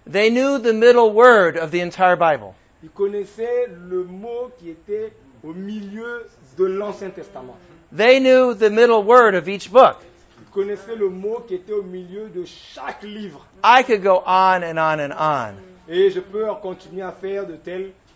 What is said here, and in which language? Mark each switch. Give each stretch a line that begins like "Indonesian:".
English: They knew the middle word of the entire Bible.
French: Ils connaissaient le mot qui était au milieu de l'Ancien Testament.
English: They knew the middle word of each book.
French: Ils connaissaient le mot qui était au milieu de chaque livre.
English: I could go on and on and on.
French: Et je peux continuer à faire de tels...